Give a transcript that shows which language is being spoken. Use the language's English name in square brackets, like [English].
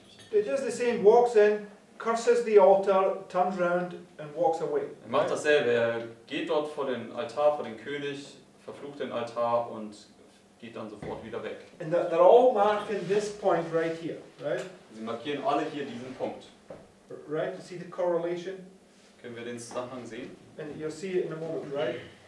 [English] He does the same, walks in, curses the altar, turns around and walks away. [German] Er macht dasselbe, er geht dort vor den Altar, vor den König, verflucht den Altar und geht dann sofort wieder weg. [English] And they're all marking this point right here, right? [German] Sie markieren alle hier diesen Punkt. [English] Right, you see the correlation? [German] Können wir den Zusammenhang sehen? [English] And you'll see it in a moment, right?